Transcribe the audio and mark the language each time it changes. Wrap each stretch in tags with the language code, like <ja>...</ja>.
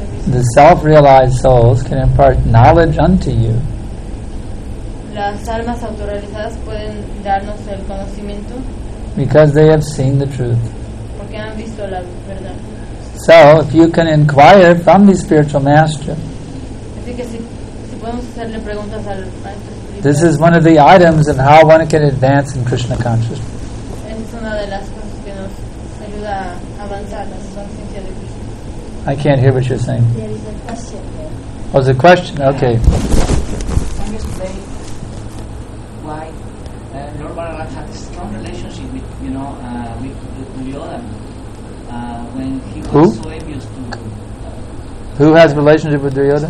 <en>The self-realized souls can impart knowledge unto you.</en> <es>Las almas autorrealizadas pueden darnos el conocimiento.</es> <en>Because they have seen the truth.</en> <es>Porque han visto la verdad.</es> <en>So, if you can inquire from the spiritual master,</en> <es>así que si podemos hacerle preguntas al maestro,</es> <en>this is one of the items of how one can advance in Krishna consciousness.</en> <es>Es una de las cosas que nos ayuda a avanzar la conciencia de Krishna.</es> <en>I can't hear what you're saying. There is a question. Oh, there's a question? Yeah. Okay. Can you explain why Lord Balaram had a strong relationship with, you know, with Duryodhana? When he was Who has relationship with Duryodhana?</en>